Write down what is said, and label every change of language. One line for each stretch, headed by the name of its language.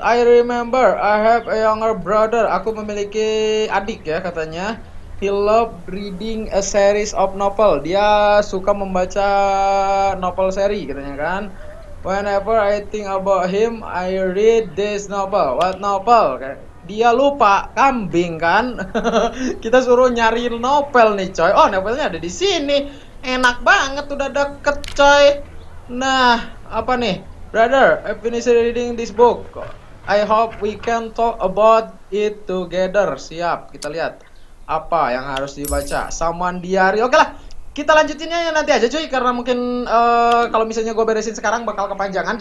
English: I remember I have a younger brother.
Indonesian: Aku memiliki adik ya katanya.
English: He love reading a series of novel.
Indonesian: Dia suka membaca novel seri katanya kan.
English: Whenever I think about him, I read this novel. What novel?
Indonesian: Dia lupa kambing kan. Kita suruh nyari novel nih, coy. Oh, novelnya ada di sini. Enak banget, udah deket, coy. Nah, apa nih?
English: Brother, I finished reading this book. I hope we can talk about it together.
Indonesian: Siap, kita lihat apa yang harus dibaca.
English: Someone diary.
Indonesian: Oke lah, kita lanjutinnya nanti aja, cuy. Karena mungkin kalau misalnya gue beresin sekarang bakal kepanjangan.